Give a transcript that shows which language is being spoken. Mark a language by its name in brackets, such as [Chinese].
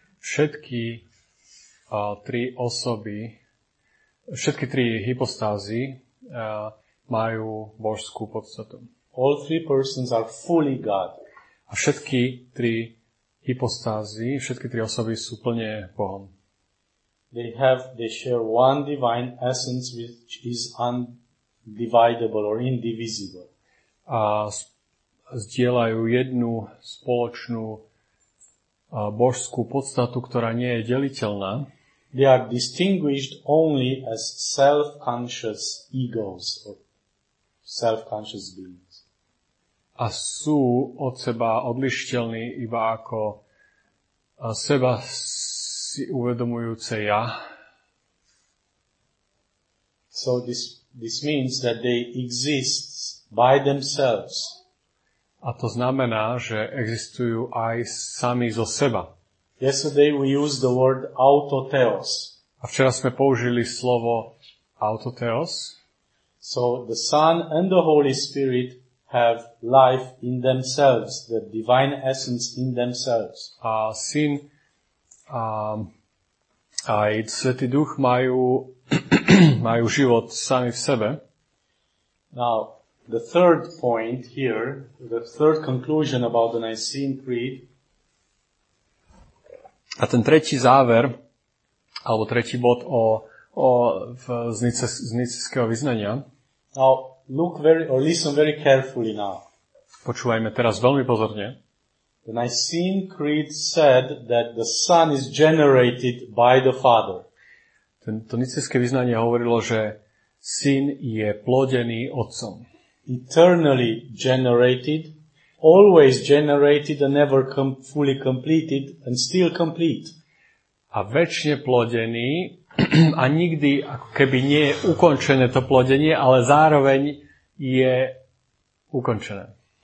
[Slovak] Všetky tri osoby, všetky tri hypostázy majú božskú podstatu. [English] All three persons are fully God. [Slovak] A všetky tri hypostázy, všetky tri osoby sú plne Bohom. [English] They share one divine essence which is undividable or indivisible. [Slovak] A zdieľajú jednu spoločnú božskú podstatu, ktorá nie je deliteľná. [English] They are distinguished only as self-conscious egos or self-conscious beings. [Slovak] A sú od seba odlišiteľní iba ako seba si uvedomujúce ja. [English] So this means that they exist by themselves. [Slovak] A to znamená, že existujú aj sami zo seba. [English] Yesterday we used the word autotheos. [Slovak] A včera sme použili slovo autotheos. [English] So the Son and the Holy Spirit have life in themselves, the divine essence in themselves. [Slovak] A Syn a Svätý Duch majú život sami v sebe. [English] Now, the third point here, the third conclusion about the Nicene Creed. [Slovak] A ten tretí záver alebo tretí bod o z nicejského vyznania. [English] Now look very or listen very carefully now. [Slovak] Počúvajme teraz veľmi pozorne. [English] The Nicene Creed said that the Son is generated by the Father. [Slovak] To nicejské vyznanie hovorilo, že Syn je plodený Otcom. [English] Eternally generated, always generated and never fully completed and still complete. [Slovak] A večne plodený a nikdy ako keby nie je ukončené to plodenie, ale zároveň je ukončené.